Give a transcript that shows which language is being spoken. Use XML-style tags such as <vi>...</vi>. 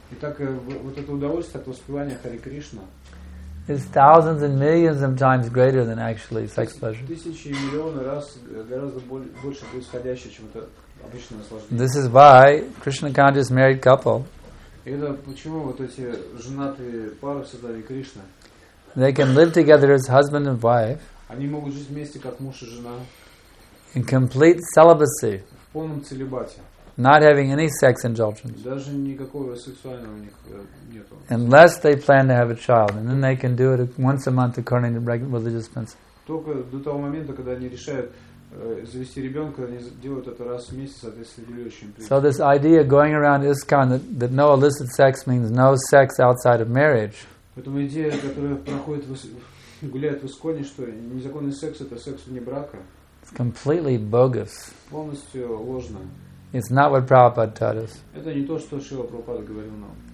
<ru>итак, вот это удовольствие от воспевания Хари Кришна,</ru> <en>is thousands and millions of times greater than actually sex pleasure.</en> <ru>Тысячи и миллионы раз гораздо больше происходящее, чем это обычное наслаждение.</ru> <en>This is why Krishna conscious married couple.</en> <ru>Это почему вот эти женатые пары создали Кришна.</ru> <en>They can live together as husband and wife.</en> <ru>Они могут жить вместе как муж и жена.</ru> <en>In complete celibacy.</en> <ru>В полном целибате.</ru> <en>Not having any sex indulgence.</en> <ru>Даже никакого сексуального у них нету.</ru> <en>Unless they plan to have a child, and then they can do it once a month according to religious principles.</en> <ru>Только до того момента, когда они решают завести ребенка, они делают это раз в месяц, соответственно, религиозным принципом.</ru> <en>So this idea going around ISKCON that no illicit sex means no sex outside of marriage.</en> <ru>Поэтому идея, которая проходит, гуляет в ИСККОНе, что незаконный секс это секс вне брака.</ru> <en>It's completely bogus.</en> <ru>Полностью ложно.</ru> <en>It's not what Prabhupada taught us.</en> <ru>Это не то, что Шрила Прабхупада говорил нам.</ru>